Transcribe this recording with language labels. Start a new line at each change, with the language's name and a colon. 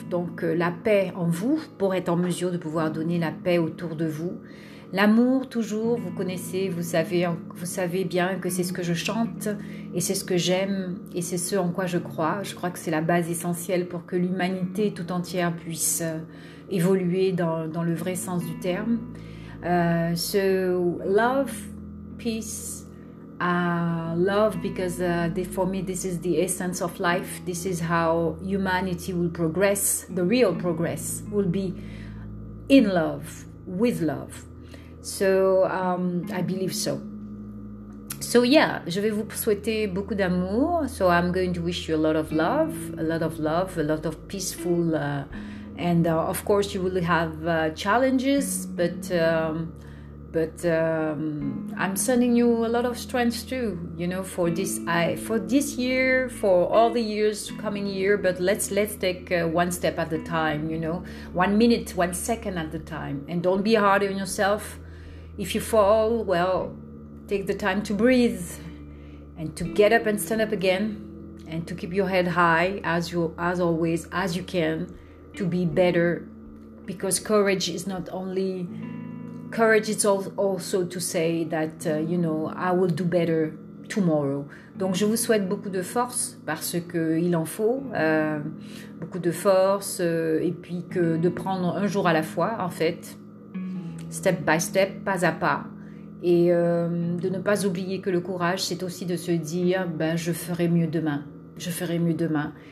French: Donc la paix en vous, pour être en mesure de pouvoir donner la paix autour de vous. L'amour toujours, vous connaissez, vous savez bien que c'est ce que je chante et c'est ce que j'aime et c'est ce en quoi je crois. Je crois que c'est la base essentielle pour que l'humanité tout entière puisse évoluer dans le vrai sens du terme.
English: So, love, peace, love, because for me this is the essence of life. This is how humanity will progress. The real progress will be in love, with love. So I believe so. So yeah,
French: je vais vous souhaiter beaucoup d'amour.
English: So I'm going to wish you a lot of love, a lot of love, a lot of peaceful. And of course, you will have challenges, but. I'm sending you a lot of strength too, you know, for this year, for all the years coming year. But let's take one step at a time, you know, 1 minute, 1 second at a time. And don't be hard on yourself. If you fall, well, take the time to breathe and to get up and stand up again and to keep your head high as always as you can to be better, because courage is not only... Courage is also to say that, you know, I will do better tomorrow.
French: Donc, je vous souhaite beaucoup de force parce qu'il en faut. Beaucoup de force et puis que de prendre un jour à la fois, en fait.
English: Step by step,
French: pas à pas. Et de ne pas oublier que le courage, c'est aussi de se dire, ben, je ferai mieux demain. Je ferai mieux demain.